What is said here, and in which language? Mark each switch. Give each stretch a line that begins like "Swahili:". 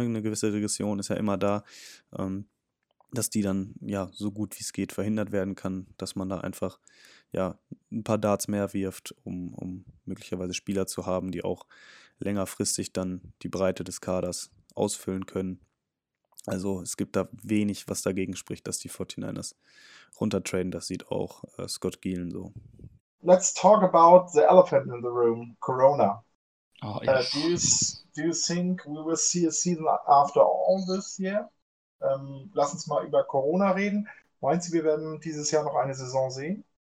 German: Eine gewisse Regression ist ja immer da, dass die dann ja so gut wie es geht verhindert werden kann, dass man da einfach ja ein paar Darts mehr wirft, um möglicherweise Spieler zu haben, die auch längerfristig dann die Breite des Kaders ausfüllen können. Also es gibt da wenig, was dagegen spricht, dass die 49ers runtertraden. Das sieht auch Scott Gielen so.
English: Let's talk about the elephant in the room, Corona. Oh, yes. Do you think we will see a season after all this year?
German: Lass uns mal über Corona reden. Meinst du, wir werden dieses Jahr noch eine Saison sehen?